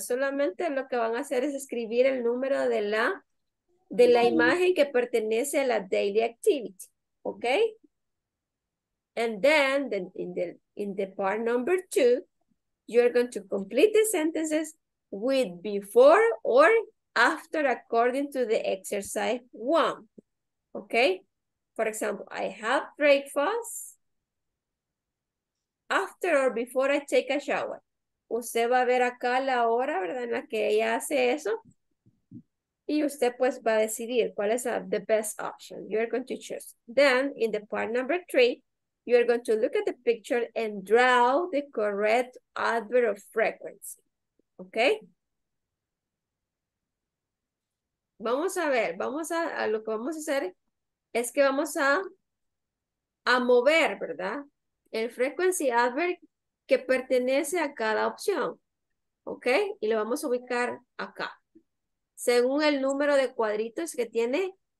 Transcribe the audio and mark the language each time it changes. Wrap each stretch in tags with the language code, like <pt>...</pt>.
<es>Solamente lo que van a hacer es escribir el número de la imagen que pertenece a la daily activity, okay?</es> <en>And then in the part number two, you're going to complete the sentences with before or after according to the exercise one. Okay? For example, I have breakfast after or before I take a shower.</en> <es>Usted va a ver acá la hora, ¿verdad? En la que ella hace eso. Y usted pues va a decidir cuál es</es> <en>the best option. You're going to choose. Then in the part number three, you are going to look at the picture and draw the correct adverb of frequency. Okay?</en> <es>Vamos a ver, lo que vamos a hacer es que vamos a mover, ¿verdad? El frequency adverb que pertenece a cada opción. Okay? Y lo vamos a ubicar acá. Según el número de cuadritos que tiene.</es>